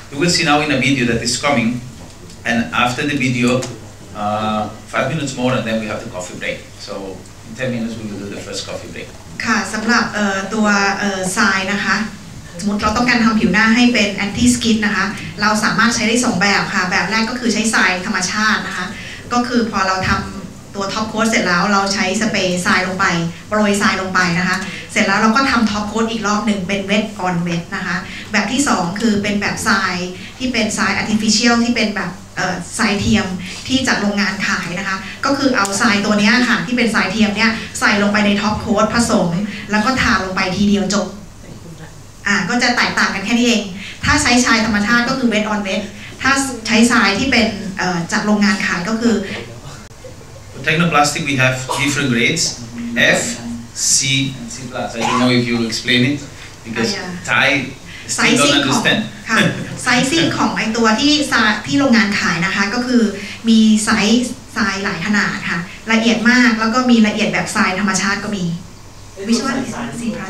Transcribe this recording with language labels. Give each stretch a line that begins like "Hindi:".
English: You will see now in a video that is coming, and after the video, 5 minutes more and then we have the coffee break. So in 10 minutes we will do the first coffee break.
Thai: ค่ะสำหรับตัวทรายนะคะสมมติเราต้องการทำผิวหน้าให้เป็น anti-skid นะคะเราสามารถใช้ได้สองแบบค่ะแบบแรกก็คือใช้ทรายธรรมชาตินะคะก็คือพอเราทำตัวท็อปโค้ตเสร็จแล้วเราใช้สเปรย์ทรายลงไปโปรยทรายลงไปนะคะเสร็จแล้วเราก็ทำท็อปโค้ตอีกรอบหนึ่งเป็นเวทออนเวทนะคะแบบที่สองคือเป็นแบบทรายที่เป็นทรายอาร์ติฟิเชียลที่เป็นแบบ ทรายเทียมที่จากโรงงานขายนะคะก็คือเอาทรายตัวนี้ค่ะที่เป็นทรายเทียมเนี่ยใส่ลงไปในท็อปโค้ตผสมแล้วก็ทาลงไปทีเดียวจบก็จะแตกต่างกันแค่นี้เองถ้าใช้ทรายธรรมชาติก็คือเวทออนเวทถ้าใช้ทรายที่เป็นจากโรงงานขายก็คือ
English: Technoplastic, we have different grades, F, C, and C+. I don't know if you will explain it, because Thai still don't understand.
Thai: Sizing ของไอ้ตัวที่โรงงานขายนะคะก็คือมีไซส์ทรายหลายขนาดค่ะละเอียดมากแล้วก็มีละเอียดแบบทรายธรรมชาติก็มีวิชวล C+.